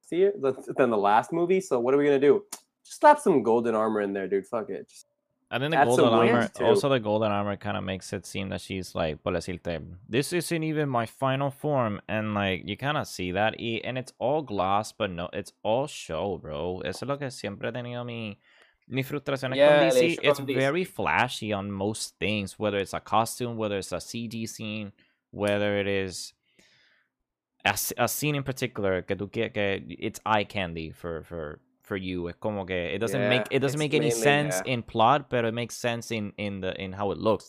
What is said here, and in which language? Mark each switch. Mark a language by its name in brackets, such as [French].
[English] see it than the last movie. So what are we gonna do? Just slap some golden armor in there, dude. Fuck it. Just... And then the golden armor, also the golden armor kind of makes it seem that she's like, [Spanish] por decirte, [English] this isn't even my final form. And like, you kind of see that. And it's all glass, but no, it's all show, bro. [Spanish] Eso es lo que siempre he tenido mi frustración. [English] It's very flashy on most things, whether it's a costume, whether it's a CG scene, whether it is a scene in particular, [Spanish] que tú quieres, que [English] it's eye candy for you. It's [Spanish] como que [English] it doesn't make any sense in plot, but it makes sense in how it looks.